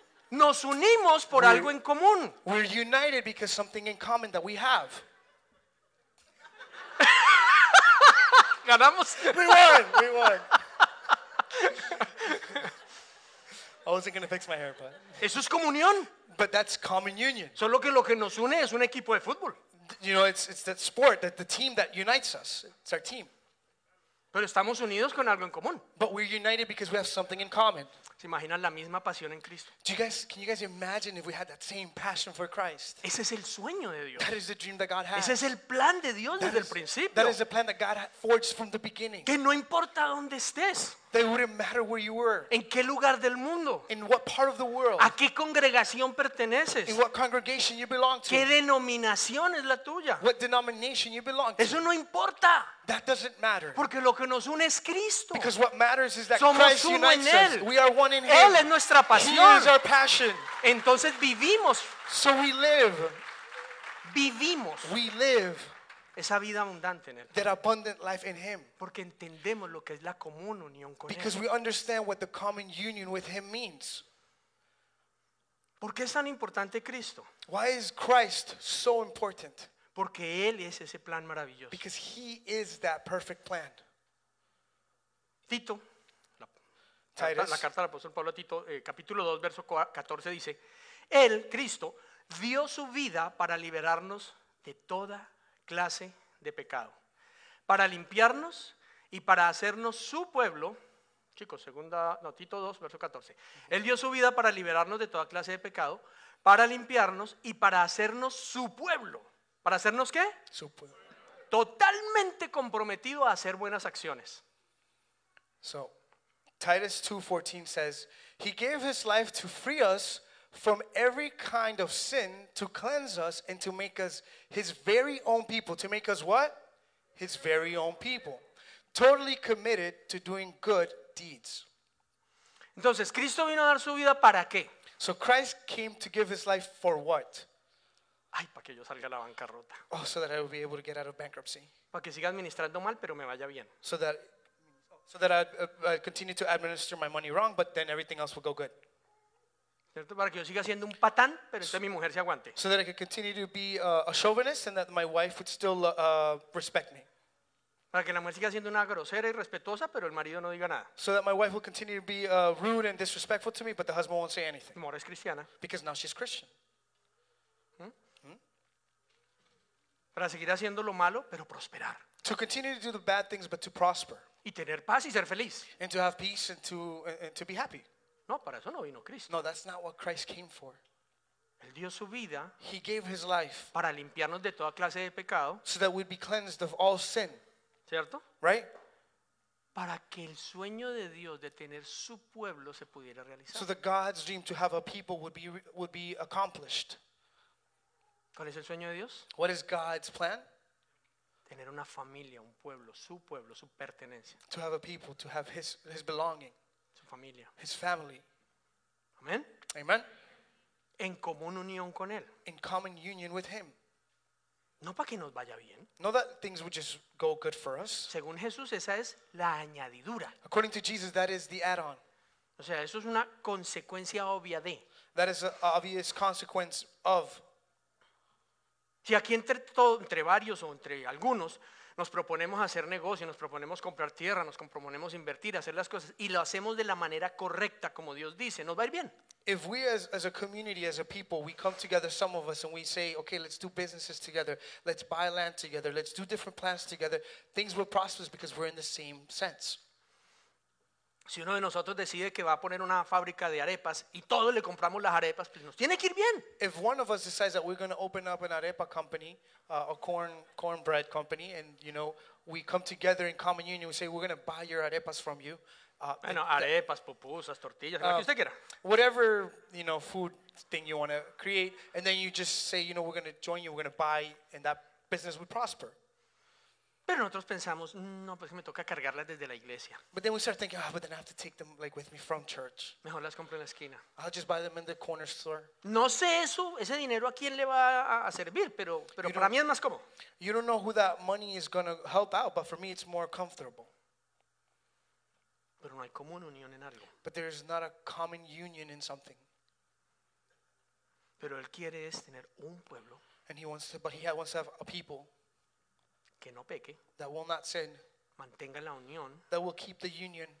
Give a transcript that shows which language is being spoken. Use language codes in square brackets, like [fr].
[es] Nos unimos por algo en común. [en] We're united because something in common that we have. [es] Ganamos. [en] We won. I wasn't gonna fix my hair, but. [es] Eso es comunión. [en] But that's common union. [es] Solo que lo que nos une es un equipo de fútbol. [en] You know, it's that sport, that the team that unites us. It's our team. [es] Pero estamos unidos con algo en común. [en] But we're united because we have something in common. [es] ¿Se imaginan la misma pasión en Cristo? [en] Can you guys imagine if we had that same passion for Christ? [es] Ese es el sueño de Dios. [en] That is the dream that God has. [es] Ese es el plan de Dios desde el principio. [en] That is the plan that God forged from the beginning. [es] Que no importa dónde estés. [en] That it wouldn't matter where you were. [es] ¿En qué lugar del mundo? [en] In what part of the world? [es] ¿A qué congregación perteneces? [en] In what congregation you belong to? [es] ¿Qué denominación es la tuya? [en] What denomination you belong to? [es] Eso no importa. [en] That doesn't matter. [es] Porque lo que nos une es Cristo. [en] Because what matters is that [es] somos [en] Christ unites us. We are one in [es] Él [en] Him. [es] Es nuestra pasión. [en] He is our passion. [es] Entonces vivimos. [en] So we live. [es] Vivimos. [en] We live. [es] Esa vida abundante en Él. [en] That abundant life in Him. [es] Porque entendemos lo que es la común unión con [en] Because [es] Él. [en] We understand what the common union with Him means. [es] ¿Por qué es tan importante Cristo? [en] Why is Christ so important? [es] Porque Él es ese plan maravilloso. [en] Because He is that perfect plan. [es] Tito. [en] Titus. [es] La carta del apóstol Pablo a Tito, capítulo 2, verso 14, dice, Él, Cristo, dio su vida para liberarnos de toda clase de pecado, para limpiarnos y para hacernos su pueblo. Chicos, segunda, no, Tito 2, verso 14. Uh-huh. Él dio su vida para liberarnos de toda clase de pecado, para limpiarnos y para hacernos su pueblo. ¿Para hacernos qué? Su pueblo. Totalmente comprometido a hacer buenas acciones. [en] So, Titus 2:14 says, He gave His life to free us from every kind of sin, to cleanse us and to make us His very own people. To make us what? His very own people. Totally committed to doing good deeds. [es] Entonces, ¿Cristo vino a dar su vida para qué? [en] So Christ came to give His life for what? [es] Ay, para que yo salga a la bancarrota. [en] Oh, so that I would be able to get out of bankruptcy. [es] Para que siga administrando mal, pero me vaya bien. [en] So that I continue to administer my money wrong, but then everything else will go good. [es] ¿Cierto? Para que yo siga siendo un patán, pero entonces mi mujer se aguante. [en] So that I could continue to be a chauvinist and that my wife would still respect me. [es] Para que la mujer siga siendo una grosera y respetuosa, pero el marido no diga nada. [en] So that my wife will continue to be rude and disrespectful to me, but the husband won't say anything. [es] Mi mujer es cristiana. [en] Because now she's Christian. [es] Para seguir haciendo lo malo, pero prosperar. [en] To continue to do the bad things, but to prosper. [es] Y tener paz y ser feliz. [en] And to have peace and to be happy. [es] No, para eso no vino Cristo. [en] No, that's not what Christ came for. [es] Él dio su vida. [en] He gave His life. [es] Para limpiarnos de toda clase de pecado. [en] So that we'd be cleansed of all sin. [es] ¿Cierto? [en] Right? [es] Para que el sueño de Dios de tener su pueblo se pudiera realizar. [en] So that God's dream to have a people would be accomplished. [es] ¿Cuál es el sueño de Dios? [en] What is God's plan? [es] Tener una familia, un pueblo, su pertenencia. [en] To have a people, to have his belonging. [es] Su familia. [en] His family. [es] Amen. [en] Amen. [es] En común unión con Él. [en] In common union with Him. [es] No para que nos vaya bien. [en] Not that things would just go good for us. [es] Según Jesús, esa es la añadidura. [en] According to Jesus, that is the add-on. [es] O sea, eso es una consecuencia obvia de. [en] That is an obvious consequence of. [es] Si aquí entre todo, entre varios o entre algunos, nos proponemos hacer negocio, nos proponemos comprar tierra, nos proponemos invertir, hacer las cosas, y lo hacemos de la manera correcta, como Dios dice, nos va a ir bien. [en] If we as a community, as a people, we come together, some of us, and we say, okay, let's do businesses together, let's buy land together, let's do different plans together, things will prosper because we're in the same sense. [es] Si uno de nosotros decide que va a poner una fábrica de arepas y todos le compramos las arepas, pues nos tiene que ir bien. [en] If one of us decides that we're going to open up an arepa company, a cornbread company, and you know, we come together in common union, we say we're going to buy your arepas from you. [es] Arepas, pupusas, tortillas, lo que usted quiera. [en] Whatever, you know, food thing you want to create, and then you just say, you know, we're going to join you, we're going to buy, and that business would prosper. [es] Pero nosotros pensamos, no, pues me toca cargarlas desde la iglesia. [en] But then we start thinking, oh, but then I have to take them like with me from church. [es] Mejor las compro en la esquina. [en] I'll just buy them in the corner store. [es] No sé eso, ese dinero a quién le va a servir, pero para mí es más cómodo. [en] You don't know who that money is going to help out, but for me it's more comfortable. [es] Pero no hay común unión en algo. [en] But there is not a common union in something. [es] Pero él quiere es tener un pueblo. [en] And he wants to have a people. [es] Que no peque, [en] that will not sin, [es] mantenga la unión, [en] that will keep the union